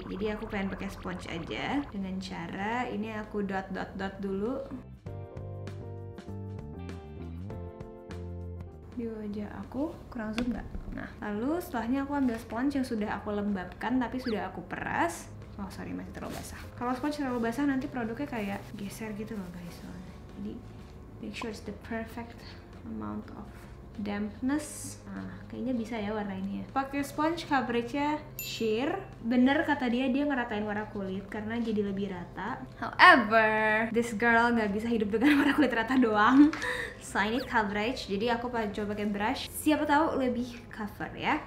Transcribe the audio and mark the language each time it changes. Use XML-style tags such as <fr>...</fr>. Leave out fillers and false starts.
<id>Jadi aku pengen pakai sponge aja dengan cara ini aku dot dulu di wajah aku. Kurang zoom nggak? Nah, lalu setelahnya aku ambil sponge yang sudah aku lembabkan tapi sudah aku peras.</id> <en>Oh sorry,</en> <id>masih terlalu basah. Kalau sponge terlalu basah nanti produknya kayak geser gitu loh guys. Soalnya jadi</id> <en>make sure it's the perfect amount of dampness.</en> <id>Nah, kayaknya bisa ya warnainnya. Pakai sponge coveragenya sheer. Bener kata dia ngeratain warna kulit karena jadi lebih rata.</id> <en>However, this girl</en> <id>nggak bisa hidup dengan warna kulit rata doang.</id> <en>So I need coverage.</en> <id>Jadi aku coba pakai brush. Siapa tahu lebih cover ya.</id>